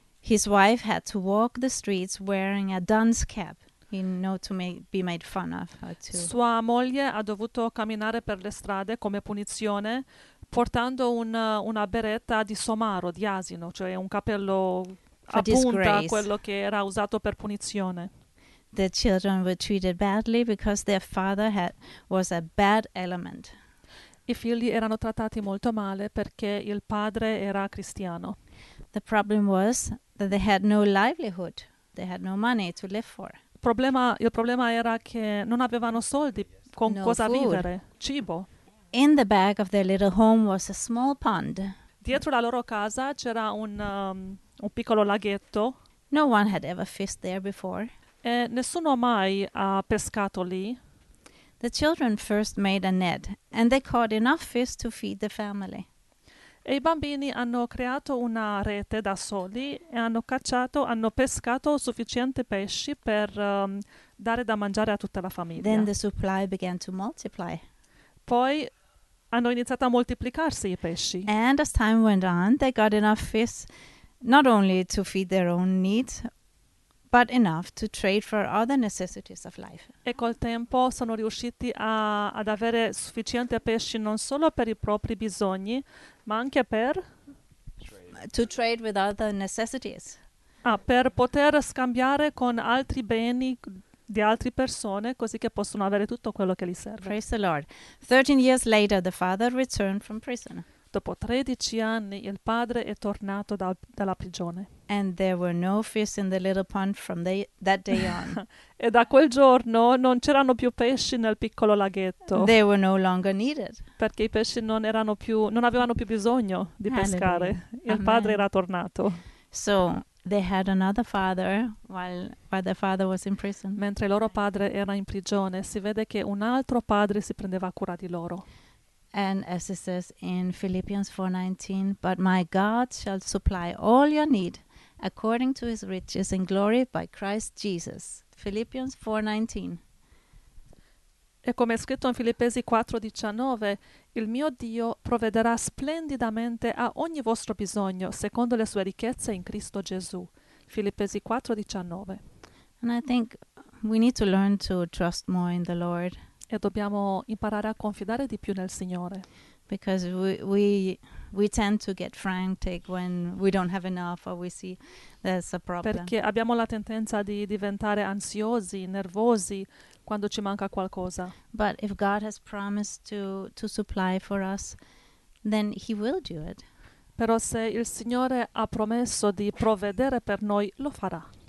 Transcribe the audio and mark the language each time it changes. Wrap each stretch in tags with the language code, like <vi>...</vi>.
<en>His wife had to walk the streets wearing a dunce cap, in know to be made fun of.</en> <it>Sua moglie ha dovuto camminare per le strade come punizione, portando una beretta di somaro, di asino, cioè un cappello a punta, quello che era usato per punizione.</it> <en>the children were treated badly because their father was a bad element.</en> <it>I figli erano trattati molto male perché il padre era cristiano.</it> <en>The problem was that they had no livelihood. They had no money to live for.</en> <it>Il problema era che non avevano soldi con cosa vivere, cibo.</it> <en>In the back of their little home was a small pond.</en> <it>Dietro la loro casa c'era un piccolo laghetto.</it> <en>No one had ever fished there before.</en> <it>E nessuno mai ha pescato lì.</it> <en>The children first made a net and they caught enough fish to feed the family.</en> <it>E i bambini hanno creato una rete da soli e hanno pescato sufficiente pesci per dare da mangiare a tutta la famiglia.</it> <en>Then the supply began to multiply.</en> <it>Poi hanno iniziato a moltiplicarsi i pesci.</it> <en>And as time went on, they got enough fish not only to feed their own needs, but enough to trade for other necessities of life.</en> <it>E col tempo sono riusciti ad avere sufficiente pesci non solo per i propri bisogni, ma anche per</it> <en>to trade with other necessities.</en> <it>Ah, per poter scambiare con altri beni di altre persone, così che possono avere tutto quello che gli serve.</it> <en>Praise the Lord. 13 years later, the father returned from prison.</en> <it>Dopo 13 anni, il padre è tornato dalla prigione.</it> <en>And there were no fish in the little pond from that day on.</en> <it>E da quel giorno non c'erano più pesci nel piccolo laghetto.</it> <en>They were no longer needed.</en> <it>Perché i pesci non avevano più bisogno di pescare. Il Amen. Padre era tornato.</it> <en>So they had another father while their father was in prison.</en> <it>Mentre loro padre era in prigione, si vede che un altro padre si prendeva cura di loro.</it> <en>And as it says in Philippians 4:19, but my God shall supply all your need according to his riches in glory by Christ Jesus. Philippians 4:19.</en> <it>E come è scritto in Filippesi 4:19, il mio Dio provvederà splendidamente a ogni vostro bisogno secondo le sue ricchezze in Cristo Gesù. Filippesi 4:19.</it> <en>And I think we need to learn to trust more in the Lord.</en> <it>E dobbiamo imparare a confidare di più nel Signore.</it> <en>Because we tend to get frantic when we don't have enough or we see there's a problem.</en> <it>Perché abbiamo la tendenza di diventare ansiosi, nervosi quando ci manca qualcosa.</it> <en>But if God has promised to supply for us, then he will do it.</en> <it>Però se il Signore ha promesso di provvedere per noi, lo farà.</it>